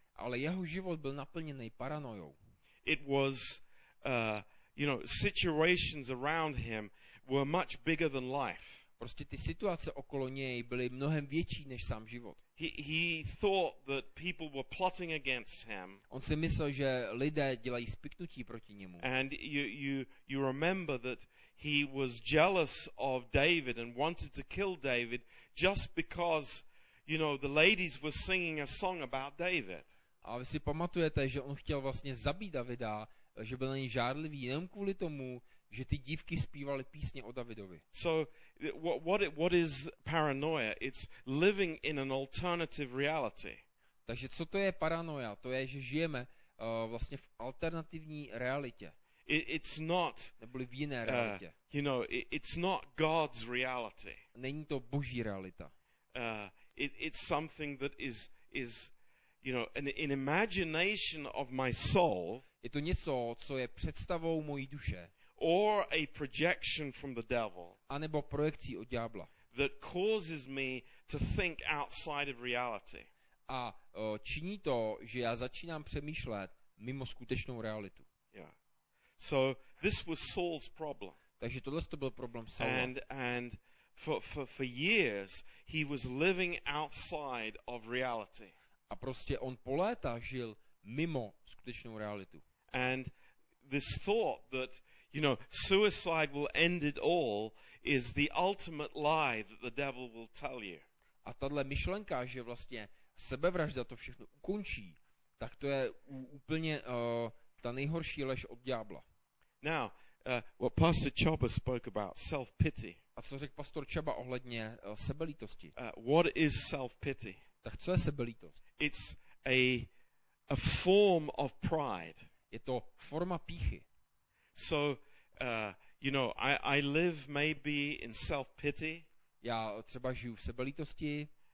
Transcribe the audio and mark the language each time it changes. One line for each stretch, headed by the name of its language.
Czech: Ale jeho život byl naplněný paranojou.
English: It was situations around him were much bigger than life.
Czech: Prostě ty situace okolo něj byly mnohem větší než sám život.
English: He thought that people were plotting against him.
Czech: On si myslel, že lidé dělají spiknutí proti němu.
English: And you remember that he was jealous of David and wanted to kill David just because, you know, the ladies were singing a song about David.
Czech: A vy si pamatujete, že on chtěl vlastně zabít Davida, že byl na něj žárlivý jenom kvůli tomu, že ty dívky zpívaly písně o Davidovi.
English: So what is paranoia? It's living in an alternative reality.
Czech: Takže co to je paranoia? To je, že žijeme vlastně v alternativní realitě.
English: It's not
Czech: neboli v jiné realitě.
English: You know, it's not God's reality.
Czech: Není to Boží realita.
English: It's something that is you know, an imagination of my soul.
Czech: Je to něco, co je představou mojí duše.
English: Or a projection from the devil.
Czech: A nebo projekcí od ďábla.
English: That causes me to think outside of reality.
Czech: A činí to, že já začínám přemýšlet mimo skutečnou realitu.
English: Yeah. So this was Saul's problem.
Czech: Takže tohle to byl problém Saula.
English: And for years he was living outside of reality.
Czech: A prostě on po léta žil mimo skutečnou realitu.
English: And this thought that, you know, suicide will end it all is the ultimate lie that the devil will tell you.
Czech: A tahle myšlenka, že vlastně sebevražda to všechno ukončí, tak to je úplně ta nejhorší lež od ďábla.
English: Now, what Pastor Chaba spoke about, self-pity.
Czech: A co řekl pastor Chaba ohledně sebelítosti?
English: What is self-pity?
Czech: Tak co je sebelítost?
English: It's a form of pride.
Czech: Je to forma píchy.
English: So, you know, I live maybe in self-pity.
Czech: Já třeba žiju v sebelítosti.